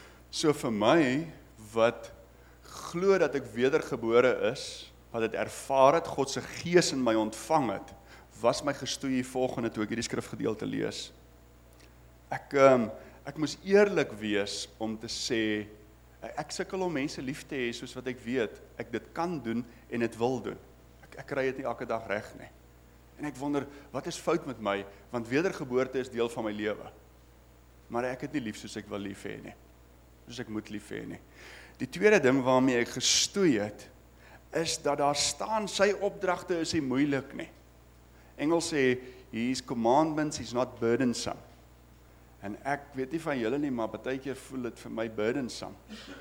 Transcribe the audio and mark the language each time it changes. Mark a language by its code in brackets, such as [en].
[af] So vir my wat glo dat ek wedergebore is, wat het ervaar het, God se gees in my ontvang het, was my gestoei volgende toe ek hierdie skrifgedeelte lees. Ek moes eerlik wees om te sê, ek sukkel om mense lief te hê soos wat ek weet, ek dit kan doen en dit wil doen. Ek kry dit nie elke dag reg nie. En ek wonder, wat is fout met my, want wedergeboorte is deel van my lewe. Maar ek het nie lief soos ek wil lief hê nie, soos ek moet lief hê nie. Die tweede ding waarmee ek gestoei het, is dat daar staan, sy opdragte is nie moeilik nie. Engels sê, [en] his commandments is not burdensome. [af] En ek weet nie van julle nie, maar baie keer voel dit vir my burdensome.